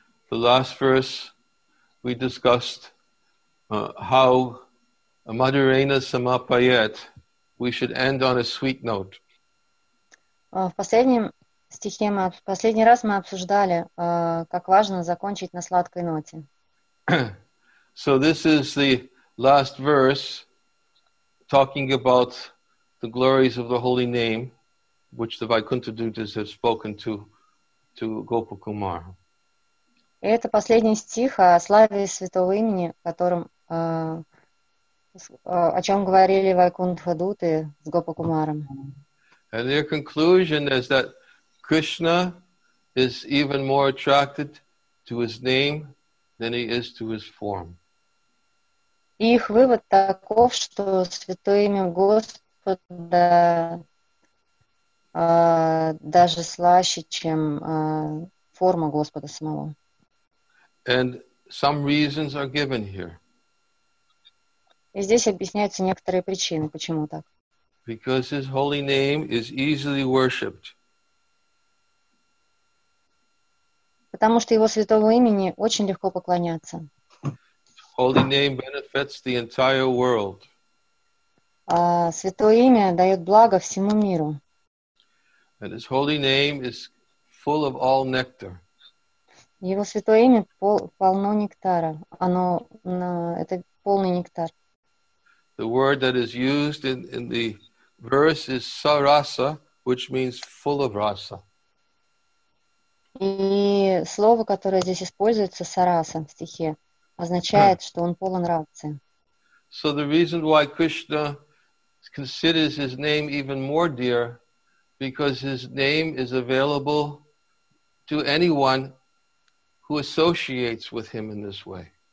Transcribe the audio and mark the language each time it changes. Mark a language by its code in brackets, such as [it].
[en] The last verse we discussed how Madhurena Samapayet, we should end on a sweet note. [ru] В последнем стихе мы, в последний раз мы обсуждали, как важно закончить на сладкой ноте. [en] So this is the last verse talking about the glories of the holy name, which the Vaikuntha Dutas have spoken to Gopa Kumar. [ru] Это последний стих о славе святого имени, которым о чем говорили Вайкунтха Дуты с Гопа Кумаром. [en] And their conclusion is that Krishna is even more attracted to his name than he is to his form. [ru] Их вывод таков, что святое имя Господа даже слаще, чем форма Господа самого. [en] And some reasons are given here. [ru] И здесь объясняются некоторые причины, почему так. [en] Because his holy name is easily worshipped. [ru] Потому что его святого имени очень легко поклоняться. [en] Holy name benefits the entire world. [ru] Святое имя дает благо всему миру. [en] And his holy name is full of all nectar. [ru] Его святое имя полно нектара. Оно это полный нектар. [en] The word that is used in the verse is sarasa, which means full of rasa. [ru] И слово, которое здесь используется, сараса в стихе, означает, что он полон рации. [en] So the reason why Krishna considers his name even more dear, because his name is available to anyone who associates with him in this way.